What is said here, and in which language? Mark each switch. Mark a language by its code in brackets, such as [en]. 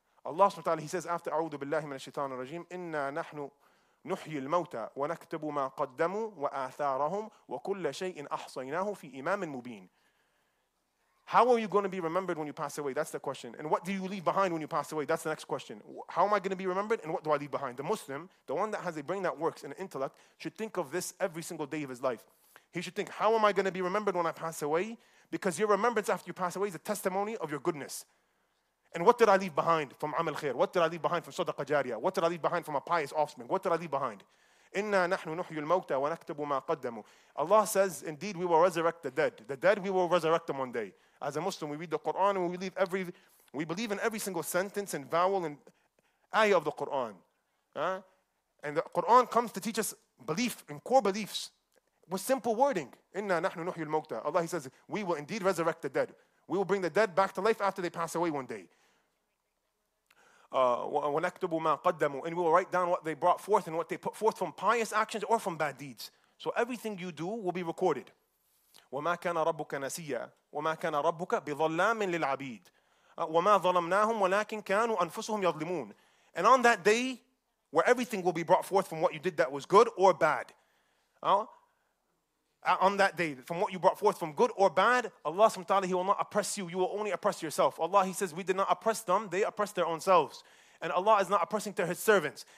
[ar] Allah subhanahu wa ta'ala, [en] He says after, [ar] أعوذ بالله من الشيطان الرجيم, إنا نحن نحيي الموتى ونكتب ما قدموا وآثارهم وكل شيء أحصيناه في إمام مبين. [en] How are you going to be remembered when you pass away? That's the question. And what do you leave behind when you pass away? That's the next question. How am I going to be remembered and what do I leave behind? The Muslim, the one that has a brain that works and an intellect, should think of this every single day of his life. He should think, how am I going to be remembered when I pass away? Because your remembrance after you pass away is a testimony of your goodness. And what did I leave behind from amal khair? What did I leave behind from sadaqa jariya? What did I leave behind from a pious offspring? What did I leave behind? [ar] Inna nahnu nuhyul mawta wa naktubu ma qaddamu. [en] Allah says, indeed, we will resurrect the dead. The dead, we will resurrect them one day. As a Muslim, we read the Quran and we believe in every single sentence and vowel and ayah of the Quran. And the Quran comes to teach us belief and core beliefs with simple wording. [ar] Inna nahnu nuhyul mawta. [en] Allah, He says, we will indeed resurrect the dead. We will bring the dead back to life after they pass away one day. [ar] ونكتب ما قدموا, [en] and we will write down what they brought forth and what they put forth from pious actions or from bad deeds. So everything you do will be recorded. [ar] وما كان ربك نسيا وما كان ربك بظلام للعبيد وما ظلمناهم ولكن كانوا أنفسهم يظلمون. [en] And on that day, where everything will be brought forth from what you did that was good or bad. On that day, from what you brought forth from good or bad, Allah subhanahu wa ta'ala, He will not oppress you. You will only oppress yourself. Allah, He says, we did not oppress them. They oppressed their own selves. And Allah is not oppressing to His servants.